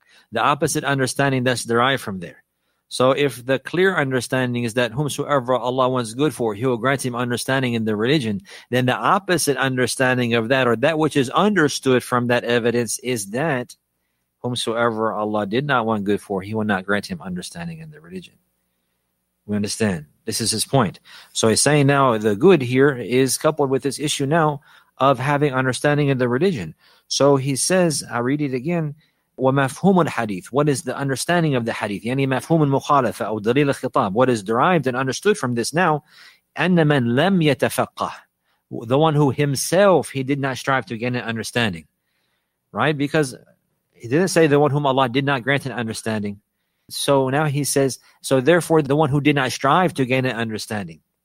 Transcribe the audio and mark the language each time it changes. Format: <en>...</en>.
<en>The opposite understanding that's derived from there. So if the clear understanding is that whomsoever Allah wants good for, he will grant him understanding in the religion, then the opposite understanding of that, or that which is understood from that evidence, is that whomsoever Allah did not want good for, he will not grant him understanding in the religion. We understand. This is his point. So he's saying now the good here is coupled with this issue now of having understanding in the religion. So he says, I'll read it again,</en> <ar>ومفهوم الحديث.</ar> <en>What is the understanding of the hadith?</en> <ar>يعني مفهوم المخالفة أو دليل الخطاب.</ar> <en>What is derived and understood from this now?</en> <ar>أن من لم يتفقه.</ar> <en>The one who himself, he did not strive to gain an understanding. Right? Because he didn't say the one whom Allah did not grant an understanding. So now he says, so therefore the one who did not strive to gain an understanding.</en>